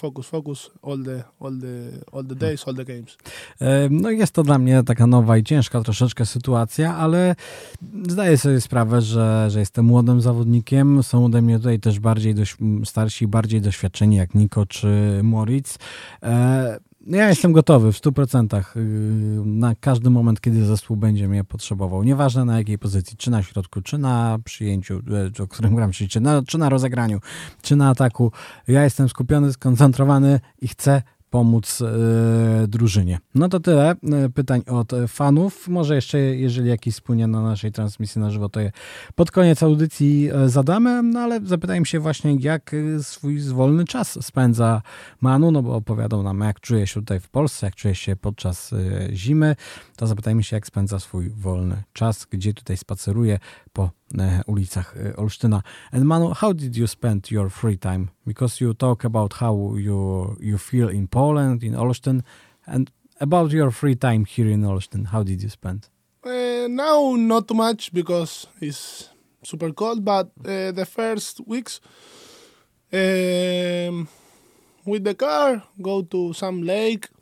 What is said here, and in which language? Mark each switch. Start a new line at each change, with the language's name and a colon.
English: Focus all the days, all the games.
Polish: No jest to dla mnie taka nowa i ciężka troszeczkę sytuacja, ale zdaję sobie sprawę, że jestem młodym zawodnikiem. Są ode mnie tutaj też bardziej starsi, bardziej doświadczeni jak Niko czy Moritz. Ja jestem gotowy w 100% na każdy moment, kiedy zespół będzie mnie potrzebował. Nieważne na jakiej pozycji, czy na środku, czy na przyjęciu, o którym gram, czy na rozegraniu, czy na ataku. Ja jestem skupiony, skoncentrowany i chcę pomóc drużynie. No to tyle pytań od fanów. Może jeszcze, jeżeli jakiś spłynie na naszej transmisji na żywo, to je pod koniec audycji zadamy, no ale zapytałem się właśnie, jak swój wolny czas spędza Manu, no bo opowiadał nam, jak czuje się tutaj w Polsce, jak czuje się podczas zimy, to zapytajmy się, jak spędza swój wolny czas, gdzie tutaj spaceruje po ulicach Olsztyna.
English: And Manu, how did you spend your free time? Because you talk about how you feel in Poland, in Olsztyn, and about your free time here in Olsztyn, how did you spend? Now, not too much, because it's super cold, but the first weeks, with the car, go to some lake.